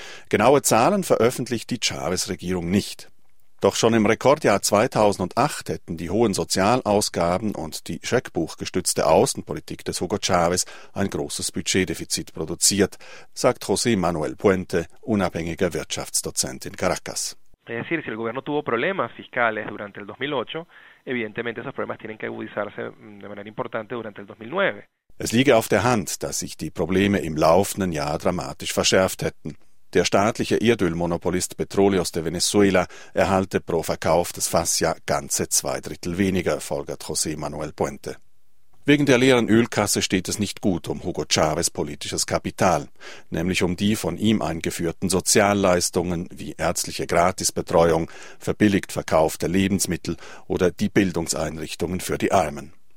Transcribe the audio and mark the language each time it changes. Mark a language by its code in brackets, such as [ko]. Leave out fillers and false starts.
[de] Genaue Zahlen veröffentlicht die Chavez-Regierung nicht. Doch schon im Rekordjahr 2008 hätten die hohen Sozialausgaben und die scheckbuchgestützte Außenpolitik des Hugo Chavez ein großes Budgetdefizit produziert, sagt José Manuel Puente, unabhängiger Wirtschaftsdozent in Caracas. [es] Es decir, si el gobierno tuvo problemas fiscales durante el 2008, evidentemente esos problemas tienen que agudizarse de manera importante durante el 2009. [de] Es liege auf der Hand, dass sich die Probleme im laufenden Jahr dramatisch verschärft hätten. Der staatliche Erdölmonopolist Petroleos de Venezuela erhalte pro verkauftes Fass ja ganze zwei Drittel weniger, folgert José Manuel Puente. Wegen der leeren Ölkasse steht es nicht gut um Hugo Chávez politisches Kapital, nämlich um die von ihm eingeführten Sozialleistungen wie ärztliche Gratisbetreuung, verbilligt verkaufte Lebensmittel oder die Bildungseinrichtungen für die Armen.